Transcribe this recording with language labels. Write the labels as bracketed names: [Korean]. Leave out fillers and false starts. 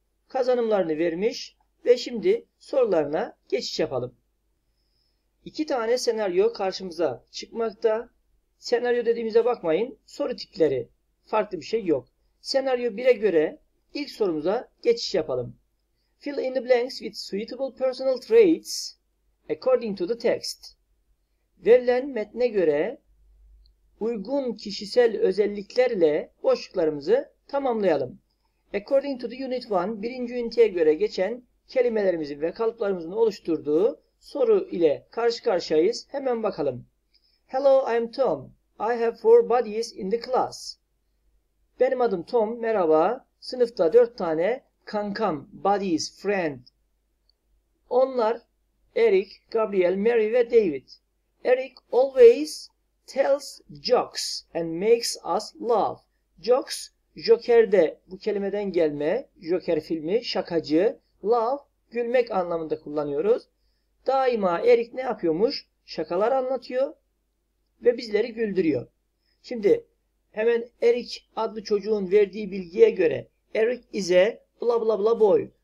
[Turkish] Kazanımlarını vermiş ve şimdi sorularına geçiş yapalım. İki tane senaryo karşımıza çıkmakta. Senaryo dediğimize bakmayın, soru tipleri farklı bir şey yok. Senaryo 1'e göre İlk sorumuza geçiş yapalım. [English] Fill in the blanks with suitable personal traits according to the text. [Turkish] Verilen metne göre uygun kişisel özelliklerle boşluklarımızı tamamlayalım. [English] According to the unit 1, [Turkish] birinci üniteye göre geçen kelimelerimizin ve kalıplarımızın oluşturduğu soru ile karşı karşıyayız. Hemen bakalım. [English] Hello, I'm Tom. I have four buddies in the class. [Turkish] Benim adım Tom. Merhaba. Sınıfta 4 tane kankam, buddies, friend. Onlar Eric, Gabriel, Mary ve David. [English] Eric always tells jokes and makes us laugh. [Turkish] Jokes, Joker'de bu kelimeden gelme, Joker filmi, şakacı. Laugh, gülmek anlamında kullanıyoruz. Daima Eric ne yapıyormuş? Şakalar anlatıyor ve bizleri güldürüyor. Şimdi hemen Eric adlı çocuğun verdiği bilgiye göre [English] Eric is a blah blah blah boy.